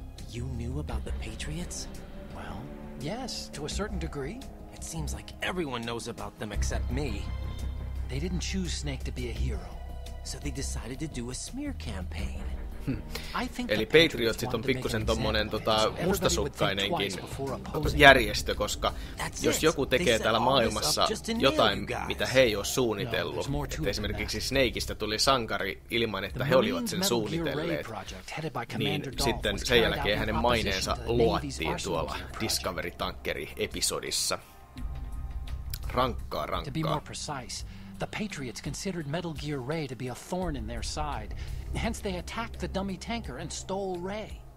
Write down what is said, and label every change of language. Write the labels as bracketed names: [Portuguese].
[English] You knew about the Patriots? Well, yes, to a certain degree. It seems like everyone knows about them except me. They didn't choose Snake to be a hero, so they decided to do a smear campaign. [Finnish] Eli Patriotsit on pikkusen tommonen mustasukkainenkin järjestö, koska jos joku tekee täällä maailmassa jotain, mitä he ei ole suunnitellut, että esimerkiksi Snakeista tuli sankari ilman, että he olivat sen suunnitelleet, niin sitten sen jälkeen hänen maineensa luottiin tuolla Discovery Tankeri-episodissa. Rankkaa. [English] The Patriots considered Metal Gear Ray to be a thorn in their side. Hence they attacked the dummy tanker and stole Ray.